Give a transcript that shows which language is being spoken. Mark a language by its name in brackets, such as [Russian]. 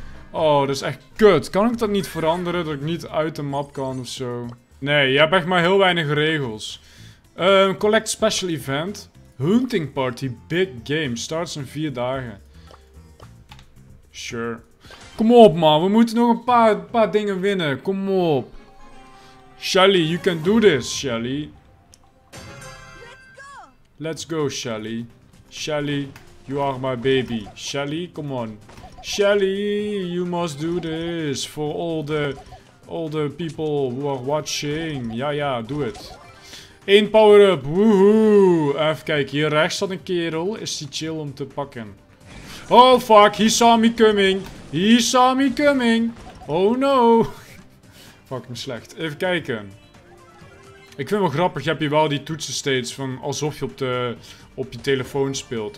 [Dutch] Oh, dat is echt kut. Kan ik dat niet veranderen? Dat ik niet uit de map kan of zo? Nee, je hebt echt maar heel weinig regels. [English] Collect special event. Hunting party. Big game. Starts in [Dutch] 4 dagen. Sure. Kom op, man. We moeten nog een paar dingen winnen. Kom op. [English] Shelly, you can do this, Shelly. Let's go, Shelly. Shelly, you are my baby. Shelly, come on. Shelly, you must do this. For all the people who are watching. Ja, ja, do it. 1 power-up, woehoe. [Dutch] Even kijken, hier rechts zat een kerel. Is die chill om te pakken? [English] Oh fuck, he saw me coming. He saw me coming. Oh no. Fucking slecht. [Dutch] Even kijken. Ik vind het wel grappig, je hebt hier wel die toetsen steeds. Van alsof je op je telefoon speelt.